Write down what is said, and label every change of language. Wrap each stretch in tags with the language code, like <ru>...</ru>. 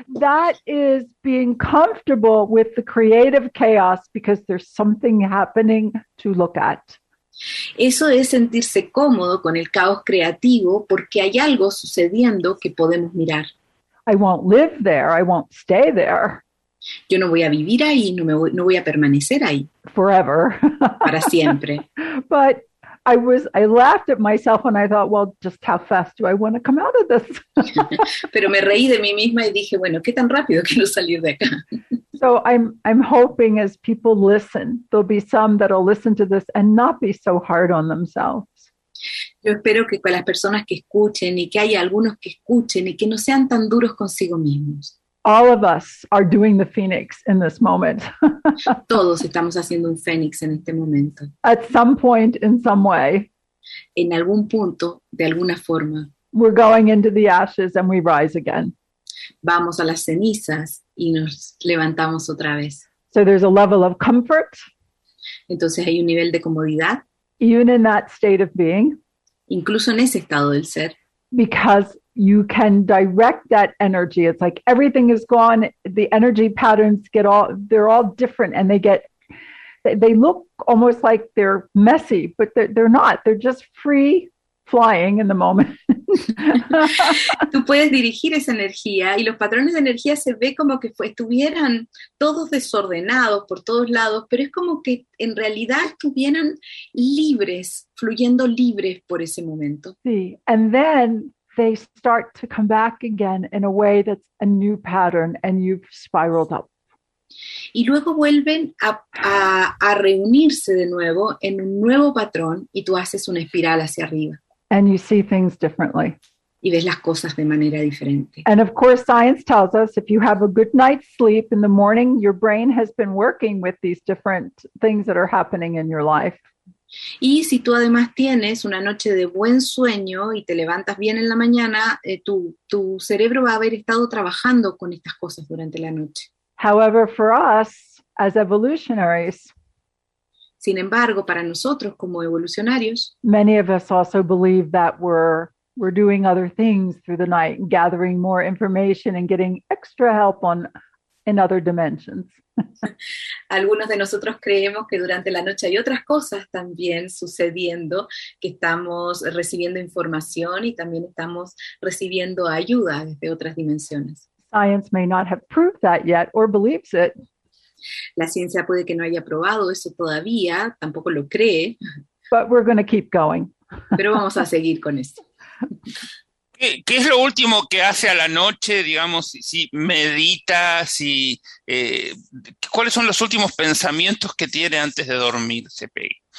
<en>that is being comfortable with the creative chaos because there's something happening to look at.</en> <es>Eso es sentirse cómodo con el caos creativo porque hay algo sucediendo que podemos mirar.</es> <en>I won't live there, I won't stay there.</en> <es>Yo no voy a vivir ahí, no voy a permanecer ahí.</es> <en>Forever.</en> <es>Para siempre.</es> <en>But I laughed at myself when I thought, well, just how fast do I want to come out of this?</en> <es>Pero me reí de mí misma y dije, bueno, ¿qué tan rápido quiero salir de acá?</es> <en>So I'm hoping as people listen, there'll be some that'll listen to this and not be so hard on themselves.</en> <es>Yo espero que con las personas que escuchen y que haya algunos que escuchen y que no sean tan duros consigo mismos.</es> <en>All of us are doing the phoenix in this moment.</en> <es>Todos estamos haciendo un fénix en este momento.</es> <en>At some point, in some way.</en> <es>En algún punto, de alguna forma.</es> <en>We're going into the ashes and we rise again.</en> <es>Vamos a las cenizas y nos levantamos otra vez.</es> <en>So there's a level of comfort.</en> <es>Entonces hay un nivel de comodidad.</es> <en>Even in that state of being.</en> <es>Incluso en ese estado del ser.</es> <en>Because you can direct that energy. It's like everything is gone. The energy patterns get all, they're all different and they look almost like they're messy, but they're not. They're just free flying in the moment.</en> <es>Tú puedes dirigir esa energía y los patrones de energía se ve como que estuvieran todos desordenados por todos lados, pero es como que en realidad estuvieran libres, fluyendo libres por ese momento.</es> <en>Sí, and then they start to come back again in a way that's a new pattern and you've spiraled up.</en> <es>Y luego vuelven a reunirse de nuevo en un nuevo patrón y tú haces una espiral hacia arriba.</es> <en>And you see things differently.</en> <es>Y ves las cosas de manera diferente.</es> <en>And of course, science tells us if you have a good night's sleep in the morning, your brain has been working with these different things that are happening in your life.</en> <es>Y si tú además tienes una noche de buen sueño y te levantas bien en la mañana, tu cerebro va a haber estado trabajando con estas cosas durante la noche.</es> <en>However, for us as evolutionaries,</en> <es>Sin embargo, para nosotros como evolucionarios,</es> <en>many of us also believe that we're doing other things through the night, gathering more information and getting extra help on in other dimensions.</en> <es>algunos de nosotros creemos que durante la noche hay otras cosas también sucediendo, que estamos recibiendo información y también estamos recibiendo ayuda desde otras dimensiones.</es> <en>Science may not have proved that yet or believes it.</en> <es>La ciencia puede que no haya probado eso todavía, tampoco lo cree,</es> <en>But we're going to keep going.</en> <es>pero vamos a seguir con esto. ¿Qué es lo último que hace a la noche, digamos, si medita, si cuáles son los últimos pensamientos que tiene antes de dormir, se pega?</es>